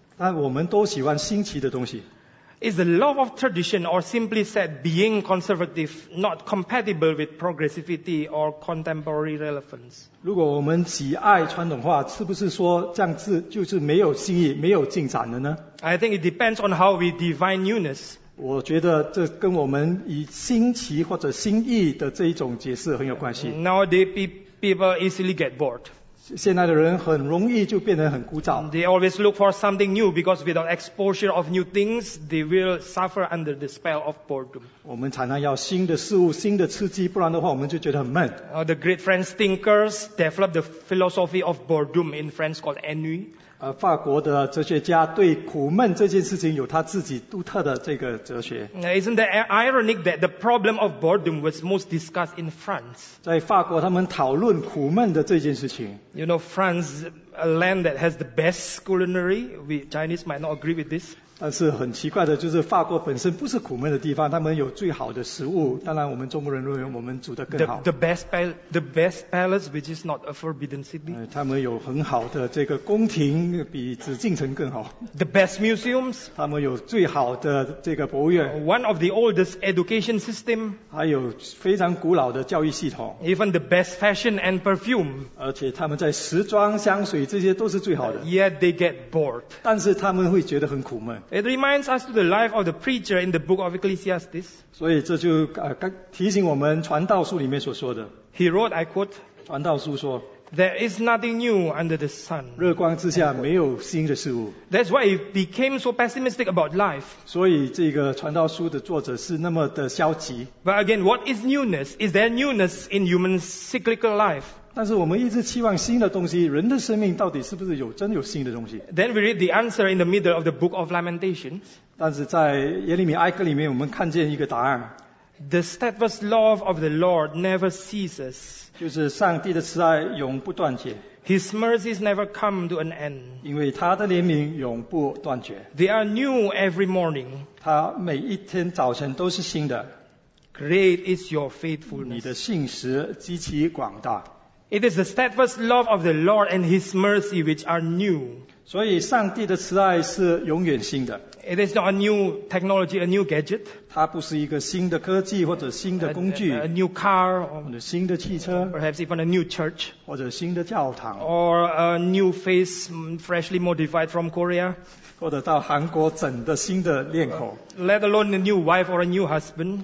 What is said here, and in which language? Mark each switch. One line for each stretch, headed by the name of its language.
Chinese: 但我们都喜欢新奇的东西。
English: Is the love of tradition, or simply said, being conservative, not compatible with progressivity or contemporary relevance?
Chinese: 如果我们喜爱传统化，是不是说这样子就是没有新意、没有进展了呢？
English: I think it depends on how we define newness.
Chinese: 我觉得这跟我们以新奇或者新意的这一种解释很有关系。
English: Nowadays people easily get bored.
Chinese: 现在的人很容易就变得很枯燥。
English: They always look for something new because without exposure of new things, they will suffer under the spell of boredom.
Chinese: 我们常常要新的事物、新的刺激，不然的话我们就觉得很闷。
English: The great French thinkers developed the philosophy of boredom in French called ennui.
Chinese: 法国的哲学家对苦闷这件事情有他自己独特的这个哲学。
English: Isn't it ironic that the problem of boredom was most discussed in France?
Chinese: 在法国他们讨论苦闷的这件事情。
English: You know, France, a land that has the best culinary, we Chinese might not agree with this.
Chinese: 但是很奇怪的就是法国本身不是苦闷的地方，他们有最好的食物，当然我们中国人认为我们煮得更好。
English: The best palace, which is not a forbidden city.
Chinese: 他们有很好的这个宫廷，比紫禁城更好。
English: The best museums.
Chinese: 他们有最好的这个博物院。
English: One of the oldest education system.
Chinese: 还有非常古老的教育系统。
English: Even the best fashion and perfume.
Chinese: 而且他们在时装、香水这些都是最好的。
English: Yet they get bored.
Chinese: 但是他们会觉得很苦闷。
English: It reminds us to the life of the preacher in the book of Ecclesiastes.
Chinese: 所以这就提醒我们传道书里面所说的。
English: He wrote, I quote,
Chinese: 传道书说，
English: There is nothing new under the sun.
Chinese: 热光之下没有新的事物。
English: That's why he became so pessimistic about life.
Chinese: 所以这个传道书的作者是那么的消极。
English: But again, what is newness? Is there newness in human cyclical life?
Chinese: 但是我们一直期望新的东西，人的生命到底是不是有真有新的东西？
English: Then we read the answer in the middle of the book of Lamentations.
Chinese: 但是在耶利米哀歌里面，我们看见一个答案。
English: The steadfast love of the Lord never ceases.
Chinese: 就是上帝的慈爱永不断绝。
English: His mercies never come to an end.
Chinese: 因为他的怜悯永不断绝。
English: They are new every morning.
Chinese: 他每一天早晨都是新的。
English: Great is your faithfulness.
Chinese: 你的信实极其广大。
English: It is the steadfast love of the Lord and His mercy which are new.
Chinese: 所以上帝的慈爱是永远新的。
English: It is not a new technology, a new gadget.
Chinese: 它不是一个新的科技或者新的工具。
English: A new car.
Chinese: 或者新的汽车。
English: Perhaps even a new church.
Chinese: 或者新的教堂。
English: Or a new face freshly modified from Korea.
Chinese: 或者到韩国整的新的脸孔。
English: Let alone a new wife or a new husband.